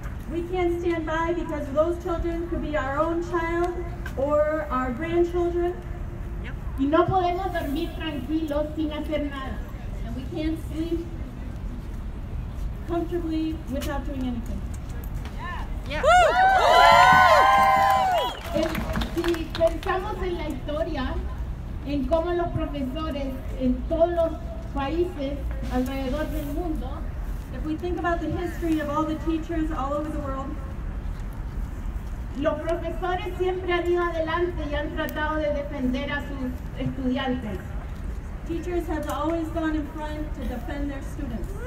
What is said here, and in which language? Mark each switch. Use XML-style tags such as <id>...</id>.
<en>We can't stand by because those children could be our own child or our grandchildren.</en> <es>Y no podemos dormir tranquilos sin hacer nada.</es> <en>And we can't sleep comfortably without doing anything. Yeah. Woo! Woo!</en> <es>Si pensamos en la historia, en cómo los profesores en todos los países alrededor del mundo,</es> <en>if we think about the history of all the teachers all over the world,</en> <es>los profesores siempre han ido adelante y han tratado de defender a sus estudiantes.</es> <en>Teachers have always gone in front to defend their students.</en>